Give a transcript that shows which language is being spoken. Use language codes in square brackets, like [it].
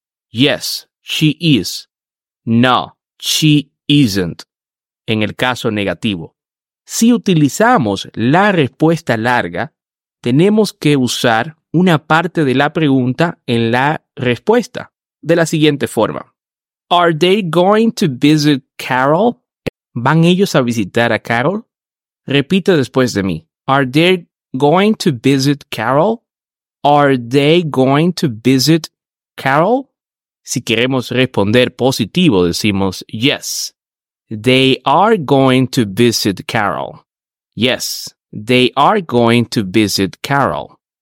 [en] Yes, she is. No, she isn't. [es] En el caso negativo. Si utilizamos la respuesta larga, tenemos que usar una parte de la pregunta en la respuesta. De la siguiente forma. [en] Are they going to visit Carol? [es] ¿Van ellos a visitar a Carol? Repite después de mí. [en] Are they going to visit Carol? Are they going to visit Carol? [es] Si queremos responder positivo, decimos yes. [en] They are going to visit Carol. Yes, they are going to visit Carol.